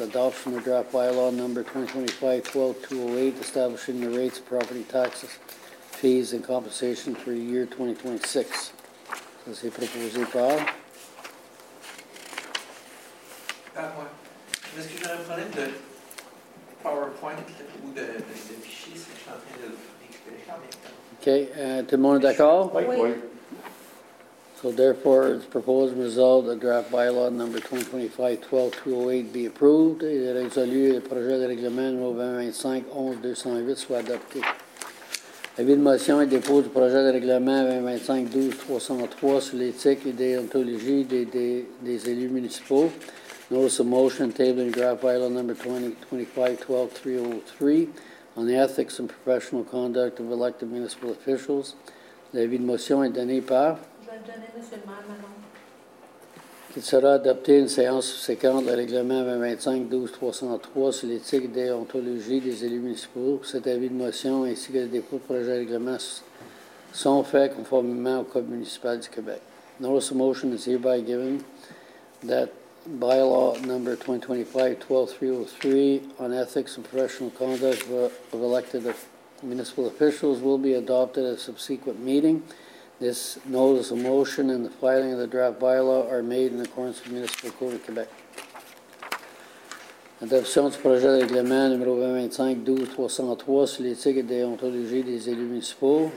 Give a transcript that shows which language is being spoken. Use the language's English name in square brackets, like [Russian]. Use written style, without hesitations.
[English] Adoption of draft bylaw number 2025-12-208, establishing the rates of property taxes, fees and compensation for the year 2026. [French] Ça, c'est proposé par? Par moi. Est-ce que j'aurais un problème de PowerPoint ou de fichier? C'est que je suis en train de récupérer quand même. OK. Tout le monde est d'accord? Oui. [English] So, therefore, it's proposed and resolved that draft bylaw number 2025-12-208 be approved. [French] Il est résolu le projet de règlement numéro 2025-11-208 soit adopté. Avis de motion et dépôt du projet de règlement 2025-12-303 sur l'éthique et déontologie des élus municipaux. [English] Notice of motion tabling draft bylaw number 2025-12-303 on the ethics and professional conduct of elected municipal officials. [French] L'avis de motion est donné par. Je vais le donner, monsieur le maire, maintenant. Il sera adopté une séance subséquente le règlement 2025-12-303 sur l'éthique et déontologie des élus municipaux. Cet avis de motion ainsi que le dépôt de projet de règlement sont faits conformément au Code municipal du Québec. [English] Notice of motion is hereby given that bylaw number 2025-12303 on ethics and professional conduct of elected municipal officials will be adopted at a subsequent meeting. This notice of motion and the filing of the draft bylaw are made in accordance with Municipal Code of Quebec. [French] Adoption du projet de règlement numéro 2025-12303 sur l'éthique et déontologie des élus municipaux.